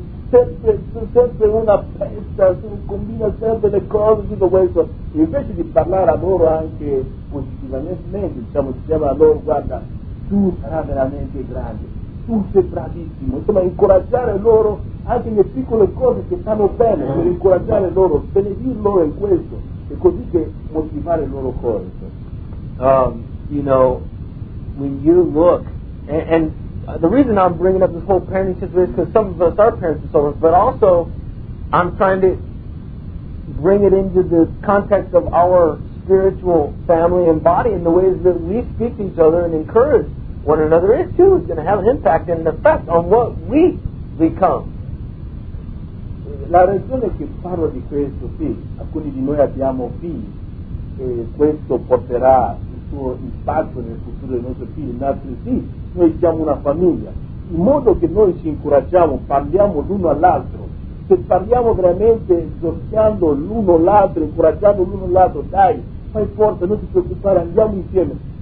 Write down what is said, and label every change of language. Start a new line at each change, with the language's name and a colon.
Italian: sempre una pesta, tu combina sempre le cose, tutto questo, invece di parlare a loro anche positivamente, diciamo, diciamo a loro, guarda, tu sarai veramente grande, tu sei bravissimo, insomma incoraggiare loro anche le piccole cose che stanno bene, per incoraggiare loro, benedir loro in questo, e così che motivare loro cose.
English: You know, when you look, and the reason I'm bringing up this whole parenting situation is because some of us are parents and so on, but also I'm trying to bring it into the context of our spiritual family and body, and the ways that we speak to each other and encourage one another is too going to have an impact and an effect on what we become.
Italian: La ragione che parlo di questo, sì, alcuni di noi abbiamo figli, e questo porterà il suo impatto nel futuro dei nostri figli, in altri sì. Noi siamo una famiglia, in modo che noi ci incoraggiamo, parliamo l'uno all'altro, se parliamo veramente esortando l'uno l'altro, incoraggiando l'uno l'altro, dai, fai forza, non ti preoccupare, andiamo insieme.